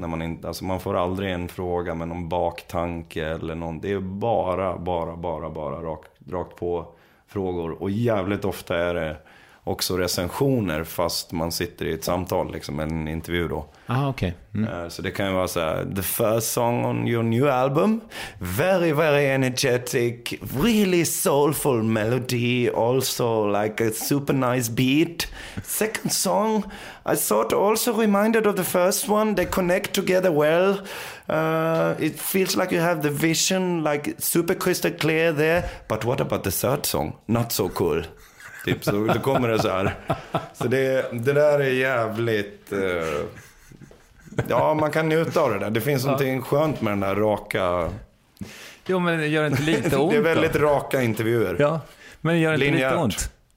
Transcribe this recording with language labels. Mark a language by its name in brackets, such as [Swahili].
[Swedish] När man inte, alltså man får aldrig en fråga med någon baktanke eller någon, det är bara rakt på frågor, och jävligt ofta är det också recensioner fast man sitter i ett samtal liksom, en intervju då. Ah, okay. Mm. Så det kan ju vara så här: [English] the first song on your new album, very very energetic, really soulful melody, also like a super nice beat. Second song, I thought also reminded of the first one, they connect together well. It feels like you have the vision like super crystal clear there, but what about the third song? Not so cool. [Swedish] Typ, så då kommer det så här. Så det där är jävligt... Ja, man kan njuta av det där. Det finns någonting skönt med den där raka... Jo, men det gör inte lite ont. Det är väldigt raka intervjuer. Ja, men det gör inte lite ont.